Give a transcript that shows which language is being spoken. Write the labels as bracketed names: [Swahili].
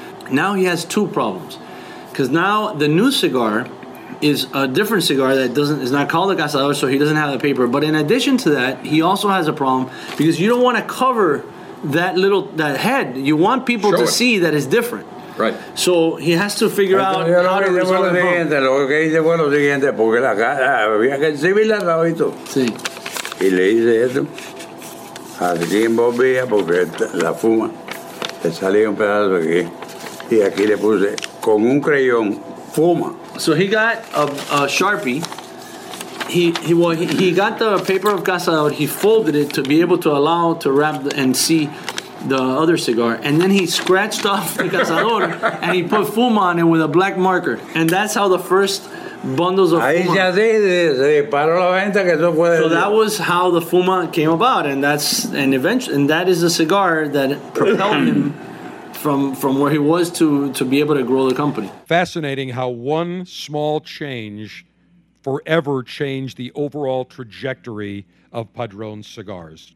[English] Now he has two problems. Because now the new cigar is a different cigar that is not called a cazador, so he doesn't have the paper. But in addition to that, he also has a problem because you don't want to cover that head. You want people to see that it's different. Right. So he has to figure [Spanish] entonces, [English] out how to resolve [Spanish] lo que dice fue lo siguiente, porque la casa había que exhibirla, Raúlito. Sí. Y le hice esto. Así que envolvía porque la fuma le salía un pedazo aquí. Y aquí le puse con un crayón, fuma. [English] So he got a Sharpie. He got the paper of cazador. He folded it to be able to allow to wrap and see the other cigar. And then he scratched off the cazador and he put fuma on it with a black marker. And that's how the first bundles of [Spanish] ahí [English] fuma. [Spanish] Ya se disparó la venta, que eso fue. [English] So that was how the fuma came about, and that is the cigar that propelled him from where he was to be able to grow the company. Fascinating how one small change forever changed the overall trajectory of Padron Cigars.